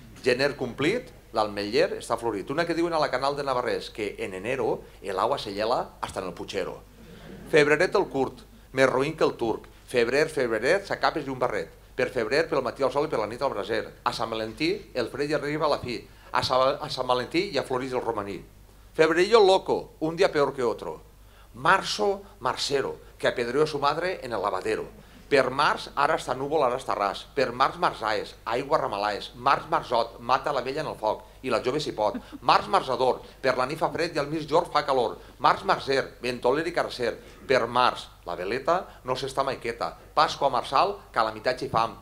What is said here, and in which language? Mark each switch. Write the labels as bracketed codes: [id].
[ca] Gener complit, l'almetller està florit. Una que diuen a la Canal de Navarrés que en enero l'aigua s'allela hasta en el putxero. Febreret el curt, més roïn que el turc. Febrer, febreret, s'acabes i un barret. Per febrer, pel matí al sol i per la nit al braser. A Sant Valentí, el fred ja arriba a la fi. A Sant Valentí ja floreix el romaní. [es] Febrerillo el loco, un dia peor que otro. Marzo, marcero, que apedreó a su madre en el lavadero. [ca] Per març, ara està núvol, ara està ras. Per març, marzaes, aigua ramalaes. Març, marzot, mata la vella en el foc, i la jove s'hi pot. Març, marzador, per la nit fa fred i al migjorn fa calor. Març, marzer, ventoler i carcer. Per març, la veleta no s'està mai queta. Pasqua marçal, calamitat i fam.